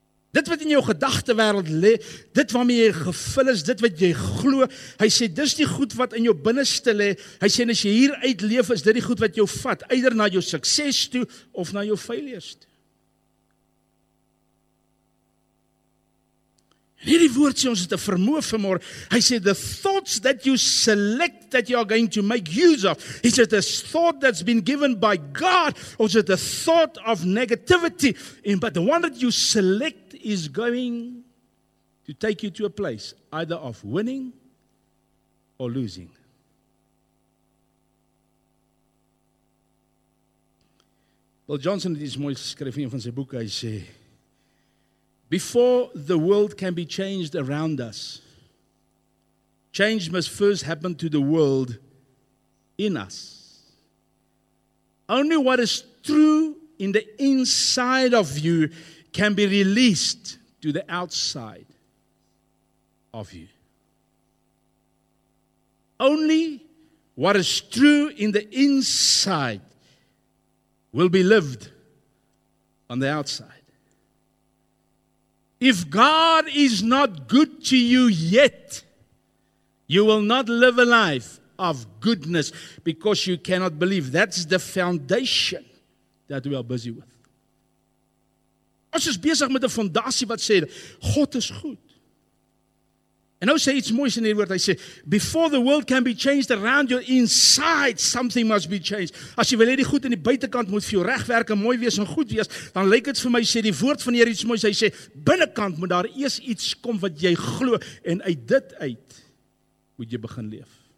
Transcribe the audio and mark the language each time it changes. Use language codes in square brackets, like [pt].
[af] Dit wat in jou gedagte wêreld lê, dit waarmee jy gevul is, dit wat jy glo, hy sê dis die goed wat in jou binneste lê. Hy sê as jy hier uitleef, is dit die goed wat jou vat, eider na jou sukses toe of na jou failures toe. En hierdie woord sê ons het 'n vermoë vanmôre. Hy sê [en] the thoughts that you select that you are going to make use of. He says the thought that's been given by God or is it the thought of negativity and but the one that you select is going to take you to a place either of winning or losing. [af] Well Johnson het iets mooi geskryf in een van sy boeke. Hy sê [en] before the world can be changed around us, change must first happen to the world in us. Only what is true in the inside of you can be released to the outside of you. Only what is true in the inside will be lived on the outside. If God is not good to you yet, you will not live a life of goodness because you cannot believe. That's the foundation that we are busy with. [af] Ons is besig met 'n fondasie wat sê, God is goed. En nou sê iets moois in hierdie woord, hy sê, [en] before the world can be changed around you inside, something must be changed. [af] As jy wil hê die goed in die buitekant moet vir jou regwerk en mooi wees en goed wees, dan lyk dit vir my, sê die woord van die Here iets moois, hy sê, binnekant moet daar eers iets kom wat jy glo, en uit dit uit moet jy begin leef.